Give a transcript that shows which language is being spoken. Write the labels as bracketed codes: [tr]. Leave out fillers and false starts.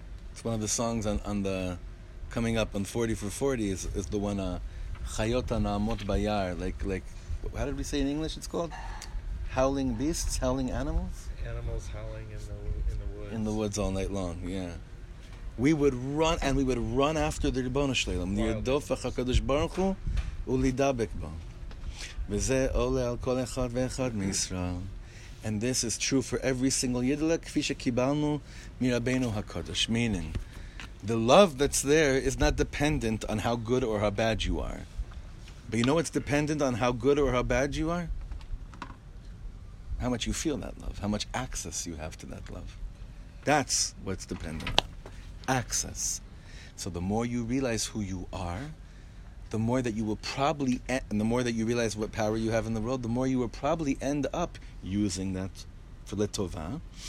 [en] It's one of the songs on the coming up on 40 for 40 is the one, Chayota Na'amot Bayar, like, how did we say in English it's called? Howling beasts, howling animals? Animals howling in the woods. In the woods all night long, yeah. We would run, and we would run after the Ribono Shleilam, Niyadof HaKadosh Baruch Hu, Ulidabek Bo. [he] וזה עולה על כל אחד ואחד מישראל. [en] And this is true for every single Yidla, [he] כפי שקיבלנו מרבנו הקדוש. [en] Meaning, the love that's there is not dependent on how good or how bad you are. But you know what's dependent on how good or how bad you are? How much you feel that love, how much access you have to that love. That's what's dependent on. Access. So the more you realize who you are, the more that you will probably, and the more that you realize what power you have in the world, the more you will probably end up using that for letovah.